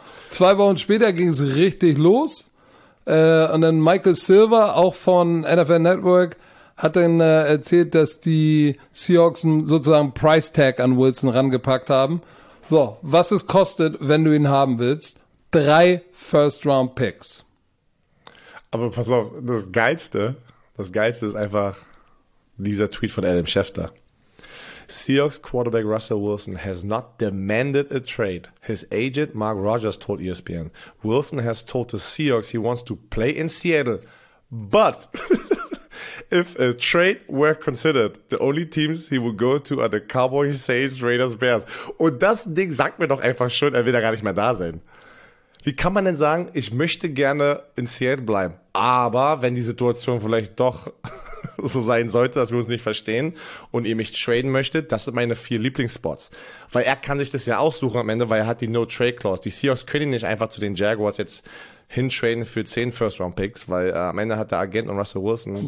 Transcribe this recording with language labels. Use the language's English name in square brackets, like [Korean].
[German] 2 Wochen später ging es richtig los und dann Michael Silver, auch von NFL Network, hat dann erzählt, dass die Seahawks sozusagen Price Tag an Wilson rangepackt haben. So, was es kostet, wenn du ihn haben willst? 3 First Round Picks. Aber pass auf, das Geilste ist einfach dieser Tweet von Adam Schefter. [English] Seahawks Quarterback Russell Wilson has not demanded a trade. His agent Mark Rogers told ESPN. Wilson has told the Seahawks he wants to play in Seattle. But if a trade were considered, the only teams he would go to are the Cowboys, Saints, Raiders, Bears. [German] Und das Ding sagt mir doch einfach schon, er will da gar nicht mehr da sein. Wie kann man denn sagen, ich möchte gerne in Seattle bleiben, aber wenn die Situation vielleicht doch so sein sollte, dass wir uns nicht verstehen und ihr mich traden möchtet, das sind meine 4 Lieblingsspots. Weil er kann sich das ja aussuchen am Ende, weil er hat die No-Trade-Clause. Die Seahawks können ihn nicht einfach zu den Jaguars jetzt hintraden für 10 First-Round-Picks, weil am Ende hat der Agent und Russell Wilson